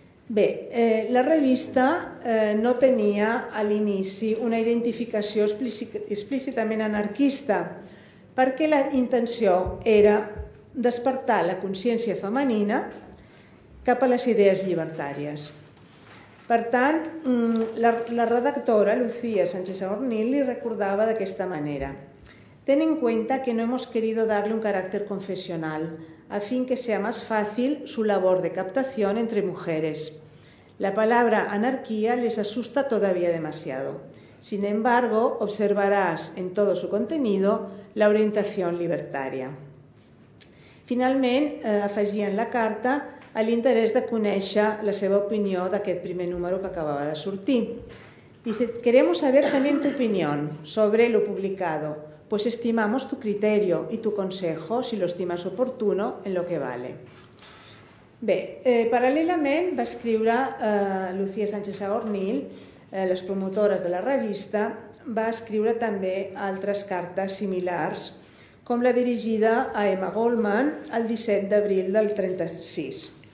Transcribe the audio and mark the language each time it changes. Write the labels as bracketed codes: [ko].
[ca] Bé, la revista no tenia a l'inici una identificació explícitament anarquista, perquè la intenció era despertar la consciència femenina cap a les idees llibertàries. Per tant, la redactora, Lucía Sánchez Saornil, li recordava d'aquesta manera: [es] «Ten en cuenta que no hemos querido darle un carácter confesional a fin que sea más fácil su labor de captación entre mujeres. La palabra anarquía les asusta todavía demasiado. Sin embargo, observarás en todo su contenido la orientación libertaria». [ca] Finalment, afegien la carta a l'interès de conèixer la seva opinió d'aquest primer número que acabava de sortir. [es] Dice: «Queremos saber también tu opinión sobre lo publicado, pues estimamos tu criterio y tu consejo, si lo estimas oportuno, en lo que vale». [ca] Bé, paral·lelament va escriure Lucía Sánchez Saornil, les promotores de la revista, va escriure també altres cartes similars, com la dirigida a Emma Goldman el 17 d'abril del 36.